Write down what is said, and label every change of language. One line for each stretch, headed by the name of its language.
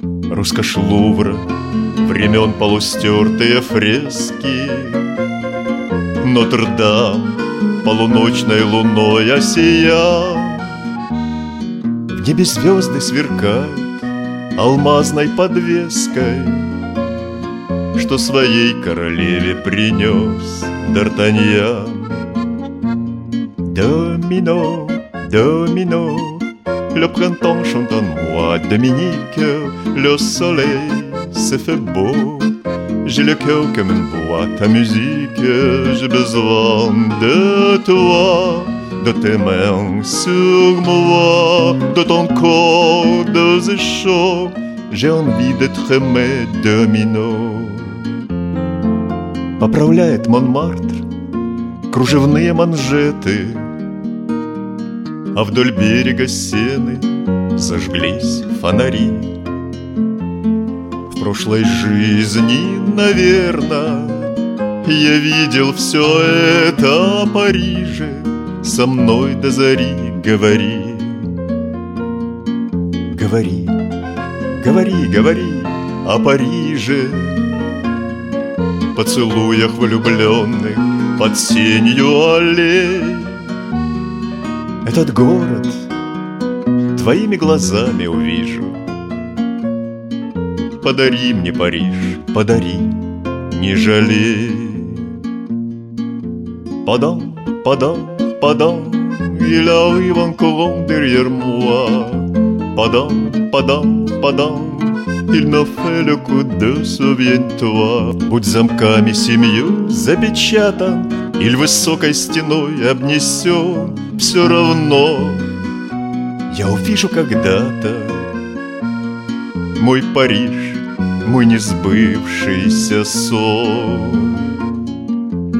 Russian: Роскошь Лувра, времен полустертые фрески, Нотр-Дам полуночной луной осиял. В небе звезды сверкают алмазной подвеской, что своей королеве принес Д'Артаньян.
French: Домино, домино, le printemps chantant moi, Dominique, le soleil s'est fait beau. J'ai le cœur comme une boîte à musique, j'ai besoin de toi, de tes mains sur moi, de ton corps doux et chaud. J'ai envie d'être aimé, domino.
Russian: Поправляет Монмартр кружевные манжеты, а вдоль берега Сены зажглись фонари. В прошлой жизни, наверное, я видел все это о Париже, со мной до зари говори. Говори, говори, говори о Париже. Поцелуях влюбленных под сенью аллей. Этот город твоими глазами увижу. Подари мне Париж, подари, не жалей.
French: Падам, падам, падам, il arrive en courant derrière moi. Падам, падам, падам, il me fait le coup de souviens-toi.
Russian: Будь замками семью запечатан или высокой стеной обнесен, все равно я увижу когда-то мой Париж, мой несбывшийся сон.